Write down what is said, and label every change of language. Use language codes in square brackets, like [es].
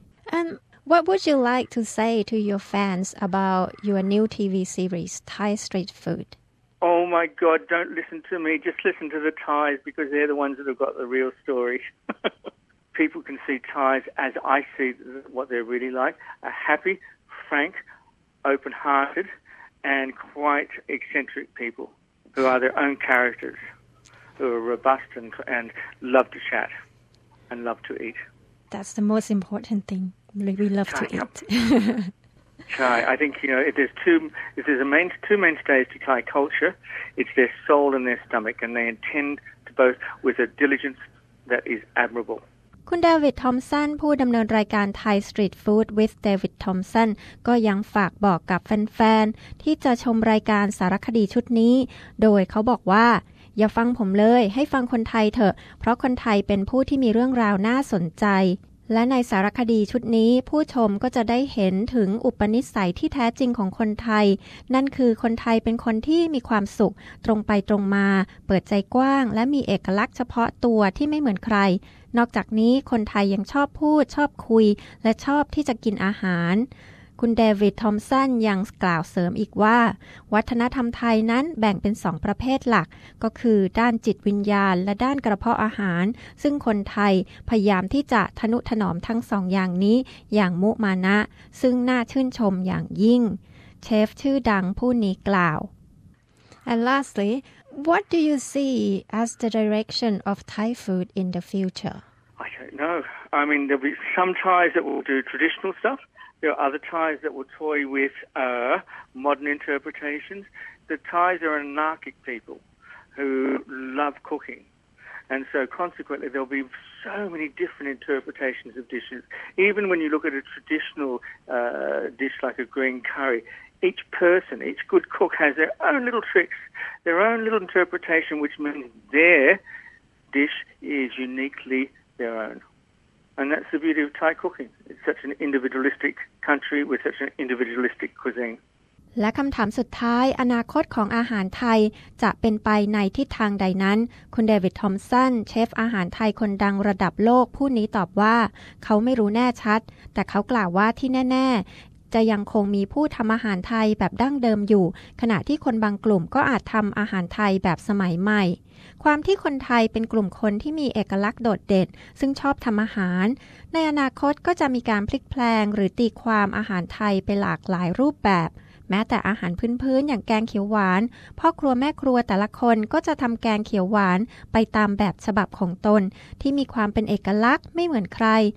[en] And what would you like to say to your fans about your new TV series Thai Street Food? Oh my God, don't listen to me. Just listen to the Thais because they're the ones that have got the real story. People can see Thais as I see what they're really like, a happy, frank, open-hearted and quite eccentric people who are their own characters, who are robust and love to chat and love to eat. That's the most important thing. We love to eat. Thai. I think, you know, if there's two mainstays to Thai culture, it's their soul and their stomach, and they intend to both with a diligence that is admirable. [th] คุณเดวิดทอมสันผู้ดำเนินรายการ Thai Street Food with David Thompson ก็ยังฝากบอกกับแฟนๆที่จะชมรายการสารคดีชุดนี้โดยเขาบอกว่าอย่าฟังผมเลยให้ฟังคนไทยเถอะเพราะคนไทยเป็นผู้ที่มีเรื่องราวน่าสนใจ และในสารคดีชุดนี้ผู้ชมก็จะได้เห็นถึงอุปนิสัยที่แท้จริงของคนไทยนั่นคือคนไทยเป็นคนที่มีความสุขตรงไปตรงมาเปิดใจกว้างและมีเอกลักษณ์เฉพาะตัวที่ไม่เหมือนใครนอกจากนี้คนไทยยังชอบพูดชอบคุยและชอบที่จะกินอาหาร คุณเดวิดทอมสันยังกล่าวเสริมอีกว่าวัฒนธรรมไทยนั้นแบ่งเป็น2ประเภทหลักก็คือด้านจิตวิญญาณและด้านกระเพาะอาหารซึ่งคนไทยพยายามที่จะทนุถนอมทั้ง2อย่างนี้อย่างมุมานะซึ่งน่าชื่นชมอย่างยิ่งเชฟชื่อดังผู้นี้กล่าว [en] And lastly what do you see as the direction of Thai food in the future I don't know I mean there'll be some Thais that will do traditional stuffThere are other Thais that will toy with modern interpretations. The Thais are anarchic people who love cooking. And so consequently, there'll be so many different interpretations of dishes. Even when you look at a traditional dish like a green curry, each person, each good cook has their own little tricks, their own little interpretation, which means their dish is uniquely their own. And that's the beauty of Thai cooking. It's such an individualistic country with such an individualistic cuisine. [th] และคำถามสุดท้ายอนาคตของอาหารไทยจะเป็นไปในทิศทางใดนั้นคุณเดวิดทอมสันเชฟอาหารไทยคนดังระดับโลกผู้นี้ตอบว่าเขาไม่รู้แน่ชัดแต่เขากล่าวว่าที่แน่ๆ จะยังคงมีผู้ทำอาหารไทยแบบดั้งเดิมอยู่ขณะที่คนบางกลุ่มก็อาจทำอาหารไทยแบบสมัยใหม่ความที่คนไทยเป็นกลุ่มคนที่มีเอกลักษณ์โดดเด่นซึ่งชอบทำอาหารในอนาคตก็จะมีการพลิกแพลงหรือตีความอาหารไทยไปหลากหลายรูปแบบแม้แต่อาหารพื้นๆอย่างแกงเขียวหวานพ่อครัวแม่ครัวแต่ละคนก็จะทำแกงเขียวหวานไปตามแบบฉบับของตนที่มีความเป็นเอกลักษณ์ไม่เหมือนใคร